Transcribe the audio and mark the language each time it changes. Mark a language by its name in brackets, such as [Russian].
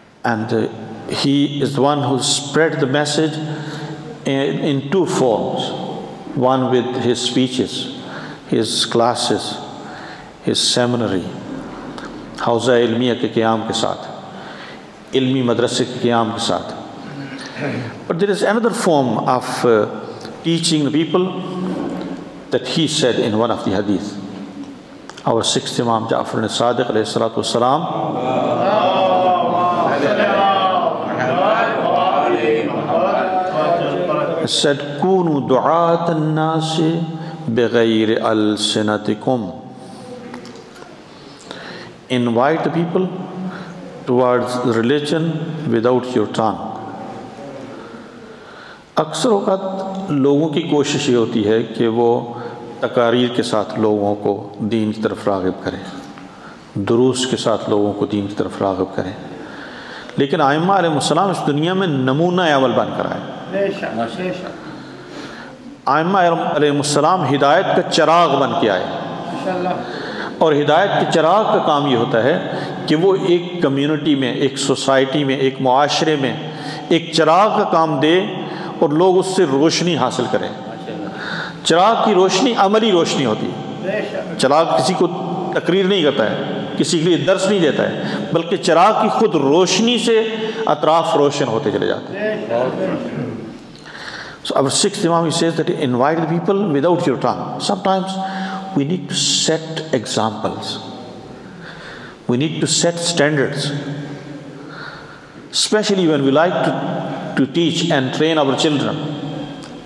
[English] and he is the one who spread the message in two forms, one with his speeches, his classes, his seminary, [Urdu] حوزہ علمیہ کے قیام کے ساتھ، علمی مدرسے کے قیام کے ساتھ. [English] But there is another form of teaching the people that he said in one of the hadith. Our sixth imam Jafar Sadiq علیہ الصلوۃ والسلام said, [Arabic] كونوا دعاة الناس بغير السنتكم. [English] Invite the people towards religion without your tongue. [Urdu] اکثر اوقات لوگوں کی کوشش یہ ہوتی ہے کہ وہ تقاریر کے ساتھ لوگوں کو دین کی طرف راغب کریں، دروس کے ساتھ لوگوں کو دین کی طرف راغب کریں، لیکن آئمہ علیہ السلام اس دنیا میں نمونہ عمل بن کر آئے. آئمہ علیہ السلام ہدایت کا چراغ بن کے آئے، اور ہدایت کے چراغ کا کام یہ ہوتا ہے کہ وہ ایک کمیونٹی میں، ایک سوسائٹی میں، ایک معاشرے میں ایک چراغ کا کام دے اور لوگ اس سے روشنی حاصل کریں. چراغ کی روشنی عملی روشنی ہوتی ہے. چراغ کسی کو تقریر نہیں کرتا ہے، کسی کے لیے درس نہیں دیتا ہے، بلکہ چراغ کی خود روشنی سے اطراف روشن ہوتے چلے جاتے ہیں. [English] So our sixth imam, he says that invite the people without your tongue. Sometimes we need to set examples. We need to set standards. Especially when we like to teach and train our children.